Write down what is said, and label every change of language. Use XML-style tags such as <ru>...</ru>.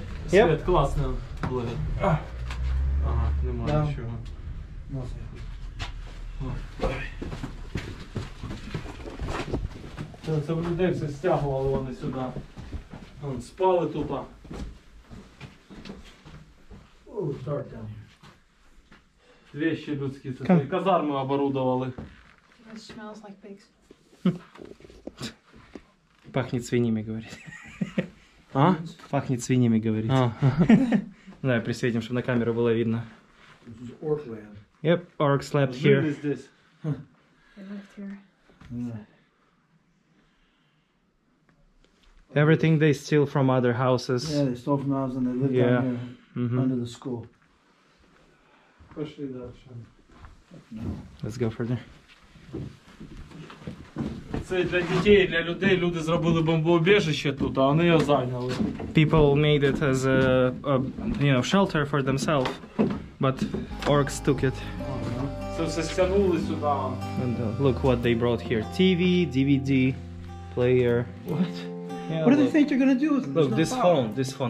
<uk>Yep.</uk> <ru>Класно, блин.</ru> <uk>Ага, нема нічого. Це людей все стягували вони сюди.</uk> <ru>Вон, спали тупо. Вещи людские,</ru> <uk>це свої казарми</uk> <ru>оборудовали.</ru> <en>It smells like pigs.</en> <ru>Пахнет свиньями, говорит. А? Пахнет свиньями, говорит. Давай присветим, чтобы на камеру было видно.</ru> <en>This is orc land. Yep, orcs slept here. What is this? They left here. Yeah. Everything they steal from other houses. Yeah, they stole from houses and they live down here under the school.</en> <ru>Пошли дальше.</ru> <en>Let's go further.</en> <uk>Це для дітей, для людей. Люди зробили бомбоубежище тут, а вони його зайняли.</uk> <en>People made it as a you know, shelter for themselves, but orcs took it.</en> <uk>Це все стягнули сюди.</uk> <en>And look what they brought here. TV, DVD, player. What? Yeah, what do they think you're gonna do with this? Look, this phone, this phone.</en>